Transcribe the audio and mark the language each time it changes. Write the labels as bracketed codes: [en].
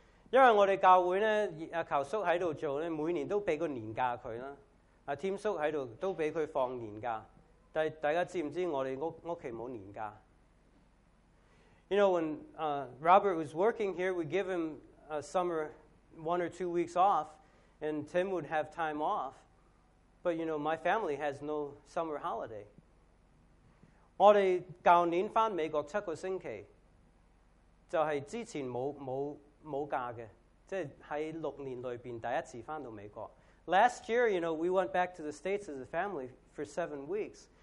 [yue] 因为我哋教会呢，阿求叔喺度做咧，每年都俾个年假佢啦。阿添叔喺度都俾佢放年假。但系大家知唔知我哋屋企冇年假？ [en] You know, when Robert was working here, we'd give him a summer 1 or 2 weeks off, and Tim would have time off. But, you know, my family has no summer holiday. [yue] 我哋去年翻美国7个星期，就系之前冇假嘅，即系喺6年里边第一次翻到美国。 [en] Last year, you know, we went back to the States as a family for 7 weeks.